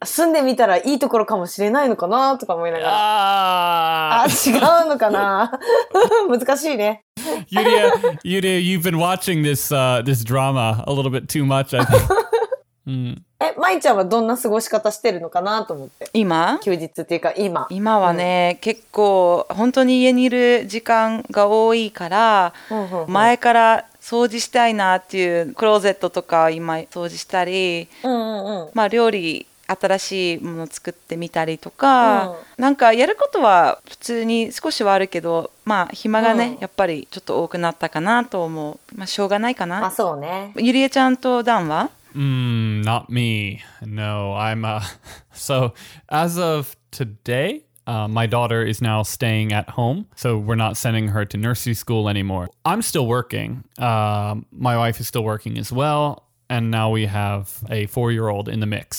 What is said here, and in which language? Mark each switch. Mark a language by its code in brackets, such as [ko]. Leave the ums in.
[ja] 住んでみたらいいところかもしれないのかなとか思いながら。Ah! ああ違うのかな 難しいね。 [en] Yuria, y u r i you've been watching this,、uh, this drama a little bit too much, [ja] うん、え、舞ちゃんはどんな過ごし方してるのかなと思って。今休日っていうか今。今はね、うん、結構本当に家にいる時間が多いから、うん、うんうん、前から掃除したいなっていうクローゼットとか今掃除したり、うんうんうん、まあ料理、新しいものを作ってみたりとか、ん、なんかやることは普通に少しはあるけどまあ暇がね、やっぱりちょっと多くなったかなと思うまあしょうがないかなゆりえちゃんとダンは [en] うん、not me no I'm a so as of today u my daughter is now staying at home, so we're not sending her to nursery school anymore. I'm still working. u my wife is still working as well. and now we have a four year old in the mix.